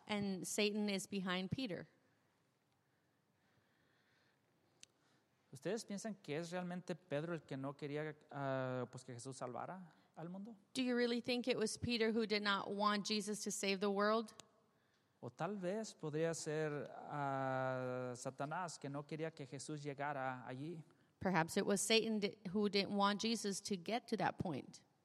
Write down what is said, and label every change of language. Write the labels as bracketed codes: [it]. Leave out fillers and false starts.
[en] And Satan is behind Peter. [es] ¿Ustedes piensan que es realmente Pedro el que no quería pues que Jesús salvara al mundo? [en] Do you really think it was Peter who did not want Jesus to save the world? [es] O tal vez podría ser Satanás que no quería que Jesús llegara allí. [en] Perhaps it was Satan who didn't want Jesus to get to that point.